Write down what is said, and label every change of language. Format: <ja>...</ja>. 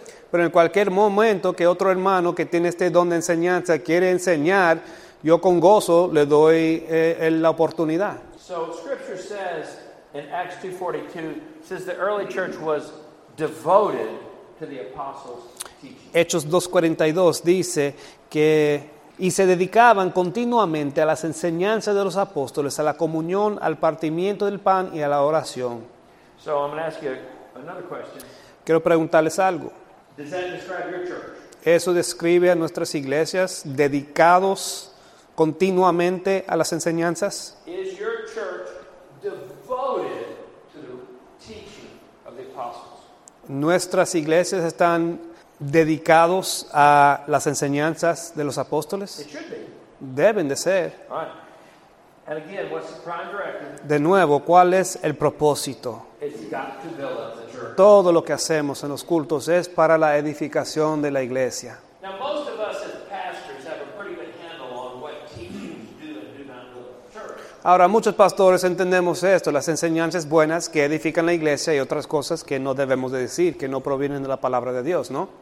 <es>Pero en cualquier momento que otro hermano que tiene este don de enseñanza quiere enseñar, yo con gozo le doy la oportunidad.</es> <en>So scripture says in Acts 2:42 says the early church was devoted to the apostles.</en> <es>Hechos 2:42 dice que y se dedicaban continuamente a las enseñanzas de los apóstoles, a la comunión, al partimiento del pan y a la oración.</es> <en>So I'm gonna ask you another question.</en> <es>Quiero preguntarles algo.</es> <en>Does that describe your church?</en> <es>Eso describe a nuestras iglesias dedicados continuamente a las enseñanzas.</es> <en>Is your church devoted to the teaching of the apostles?</en> <es>¿Nuestras iglesias están dedicados a las enseñanzas de los apóstoles?</es> <en>It should be.</en> <es>Deben de ser.</es> <en>All right. And again, what's the prime directive?</en> <es>De nuevo, ¿cuál es el propósito?</es> <en>It's got to build up the church.</en> <es>Todo lo que hacemos en los cultos es para la edificación de la iglesia.</es> <en>Now, most of us as pastors have a pretty good handle on what teachings do and do not do in the church.</en> <es>Ahora, muchos pastores entendemos esto, las enseñanzas buenas que edifican la iglesia y otras cosas que no debemos de decir, que no provienen de la palabra de Dios, ¿no?</es>